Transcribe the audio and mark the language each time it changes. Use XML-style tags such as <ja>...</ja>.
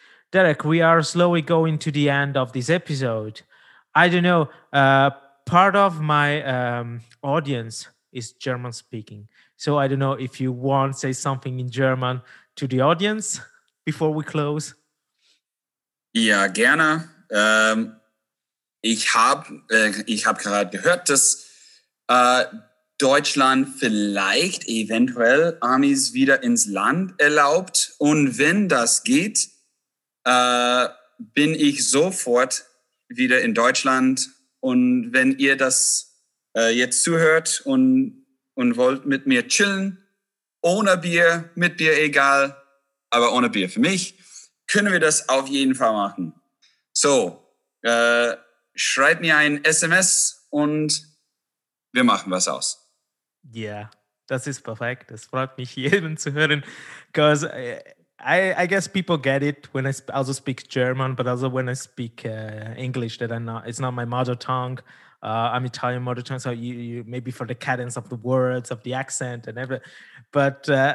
<en>Derek, we are slowly going to the end of this episode. I don't know, part of my audience is German speaking. So I don't know if you want to say something in German to the audience before we close.</en> <de>Yeah, gerne. Ich hab gerade gehört, dass Deutschland vielleicht eventuell Amis wieder ins Land erlaubt. Und wenn das geht, bin ich sofort wieder in Deutschland. Und wenn ihr das jetzt zuhört und wollt mit mir chillen, ohne Bier, mit Bier egal, aber ohne Bier für mich, können wir das auf jeden Fall machen. So, schreibt mir ein SMS und wir machen was aus. Yeah, das ist perfekt. Das freut mich jeden zu hören.</de> <en>Because I guess people get it when I also speak German, but also when I speak English, that it's not my mother tongue. I'm Italian mother tongue, so you maybe for the cadence of the words, of the accent and everything. But</en>